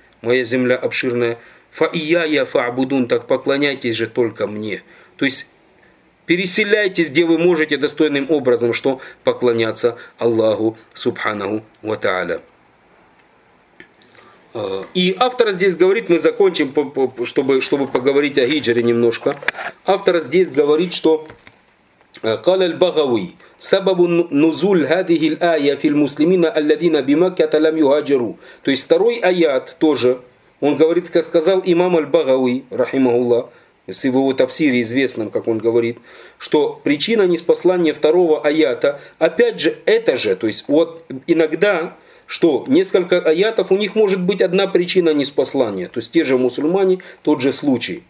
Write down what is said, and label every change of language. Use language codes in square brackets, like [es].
[ru] Моя земля обширная. Фа ияя фаабудун. Так поклоняйтесь же только мне. То есть переселяйтесь, где вы можете, достойным образом, что поклоняться Аллаху Субханаху ва Тааля. И автор здесь говорит, мы закончим, чтобы поговорить о хиджре немножко. Автор здесь говорит, что [ar] قال البغوي سبب نزول هذه الآية في المسلمين الذين بمكة لم يهاجروا. [ru] То есть второй аят тоже, он говорит, как сказал имам аль-Багави, рахимахуллах, если в его тафсире известном, как он говорит, что причина неспослания второго аята, опять же, это же, то есть вот иногда, что несколько аятов, у них может быть одна причина неспослания, то есть те же мусульмане, тот же случай.